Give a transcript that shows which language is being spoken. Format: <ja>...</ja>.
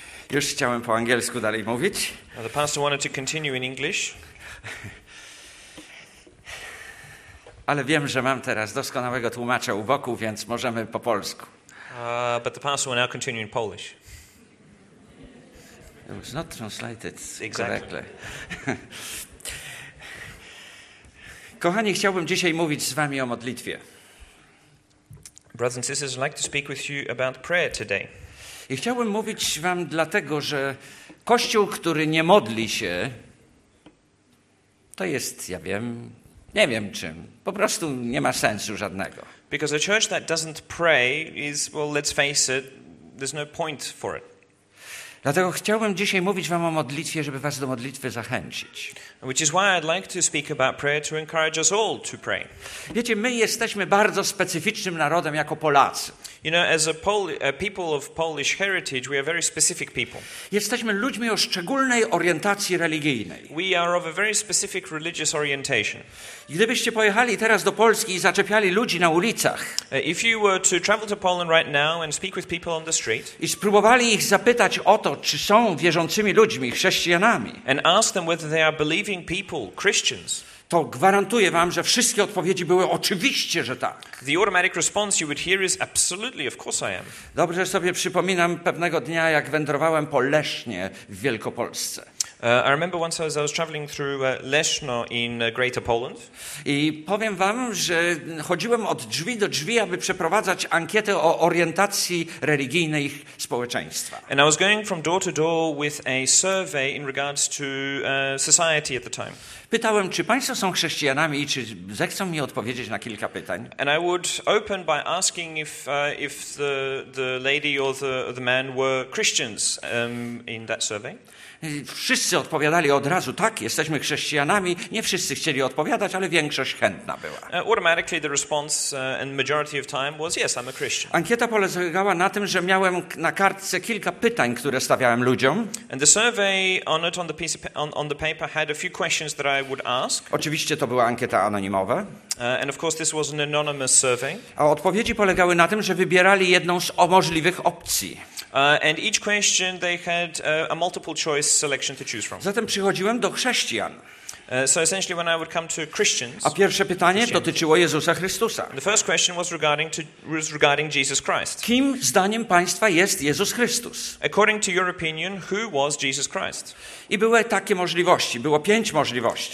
<pl>Już chciałem po angielsku dalej mówić.</pl> <en>Now the pastor wanted to continue in English.</en> <pl>Ale wiem, że mam teraz doskonałego tłumacza u boku, więc możemy po polsku.</pl> <en>But the pastor will now continue in Polish. It was not translated exactly.</en> <pl>Kochani, chciałbym dzisiaj mówić z wami o modlitwie.</pl> <en>Brothers and sisters, I'd like to speak with you about prayer today.</en> <pl>I chciałbym mówić wam dlatego, że kościół, który nie modli się, to jest, ja wiem, nie wiem czym. Po prostu nie ma sensu żadnego.</pl> <en>Because a church that doesn't pray is, well, let's face it, there's no point for it.</en> <pl>Dlatego chciałbym dzisiaj mówić wam o modlitwie, żeby was do modlitwy zachęcić.</pl> <en>Which is why I'd like to speak about prayer to encourage us all to pray.</en> <pl>Wiecie, my jesteśmy bardzo specyficznym narodem jako Polacy.</pl> <en>You know, as a people of Polish heritage, we are very specific people.</en> <pl>Jesteśmy ludźmi o szczególnej orientacji religijnej.</pl> <en>We are of a very specific religious orientation.</en> <pl>Gdybyście pojechali teraz do Polski i zaczepiali ludzi na ulicach,</pl> <en>if you were to travel to Poland right now and speak with people on the street,</en> <pl>i spróbowali ich zapytać o to, czy są wierzącymi ludźmi, chrześcijanami,</pl> <en>and ask them whether they are believing people, Christians,</en> <pl>to gwarantuję wam, że wszystkie odpowiedzi były oczywiście, że tak.</pl> <en>The automatic response you would hear is absolutely, of course I am.</en> <pl>Dobrze sobie przypominam pewnego dnia, jak wędrowałem po Lesznie w Wielkopolsce.</pl> <en>I remember once as I was traveling through Leszno in Greater Poland.</en> <pl>I powiem wam, że chodziłem od drzwi do drzwi, aby przeprowadzać ankietę o orientacji religijnej społeczeństwa.</pl> <en>And I was going from door to door with a survey in regards to society at the time.</en> <pl>Pytałem, czy państwo są chrześcijanami i czy zechcą mi odpowiedzieć na kilka pytań.</pl> <en>And I would open by asking if the lady or the man were Christians in that survey.</en> <pl>Wszyscy odpowiadali od razu, tak, jesteśmy chrześcijanami. Nie wszyscy chcieli odpowiadać, ale większość chętna była.</pl> <en>Automatically the response and majority of time was yes, I'm a Christian.</en> <pl>Ankieta polegała na tym, że miałem na kartce kilka pytań, które stawiałem ludziom.</pl> <en>And the survey on it, on the piece of, on the paper had a few questions that I would ask.</en> <pl>Oczywiście to była ankieta anonimowa.</pl> <en>And of course this was an anonymous survey.</en> <pl>A odpowiedzi polegały na tym, że wybierali jedną z możliwych opcji.</pl> <en>And each question they had a multiple choice selection to choose from.</en> <pl>Zatem przychodziłem do chrześcijan.</pl> <en>So essentially when I would come to Christians.</en> <pl>A pierwsze pytanie dotyczyło Jezusa Chrystusa.</pl> <en>The first question was regarding Jesus Christ.</en> <pl>Kim zdaniem państwa jest Jezus Chrystus?</pl> <en>According to your opinion, who was Jesus Christ?</en> <pl>I były takie możliwości, było pięć możliwości.</pl>